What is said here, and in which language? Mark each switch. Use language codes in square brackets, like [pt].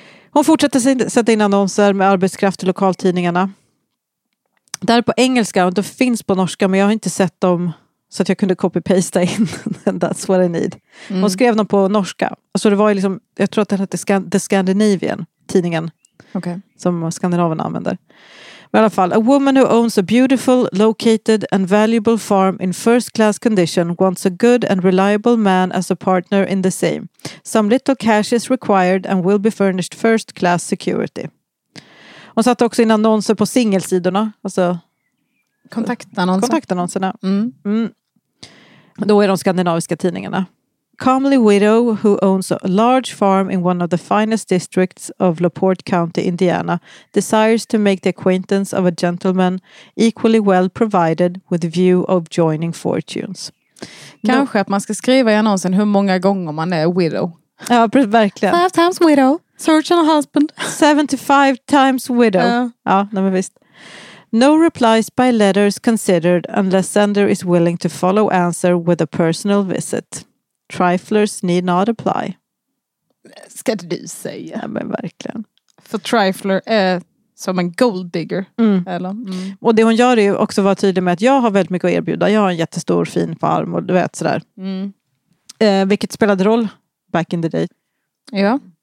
[sv] Hon fortsätter sätta in annonser med arbetskraft i lokaltidningarna. Där på engelska, och det finns på norska, men jag har inte sett dem så att jag kunde copy-pasta in. [en] That's what I need. [sv] Mm. Hon skrev dem på norska. Alltså det var ju liksom, jag tror att den hette The Scandinavian, tidningen. Okay. Som skandinaverna använder. Men i alla fall, [en] a woman who owns a beautiful, located and valuable farm in first class condition wants a good and reliable man as a partner in the same. Some little cash is required and will be furnished first class security. [sv] Hon satte också in annonser på singelsidorna. Alltså, kontaktannonser. Kontaktannonserna. Mm. Mm. Då är de skandinaviska tidningarna. [en] Comely widow who owns a large farm in one of the finest districts of LaPorte County, Indiana, desires to make the acquaintance of a gentleman equally well provided with the view of joining fortunes. [sv] Kanske att man ska skriva i annonsen hur många gånger man är widow. Ja, verkligen. [en] Five times widow. Search on a husband. 75 times widow. Yeah. [sv] Ja, men visst. [en] No replies by letters considered unless sender is willing to follow answer with a personal visit. Triflers need not apply. [sv] Ska du säga? Ja, men verkligen. För trifler är som en gold digger. Mm. Eller? Mm. Och det hon gör är ju också vara tydlig med att jag har väldigt mycket att erbjuda. Jag har en jättestor fin farm och du vet sådär. Mm. Vilket spelade roll [en] back in the day. [sv] Ja.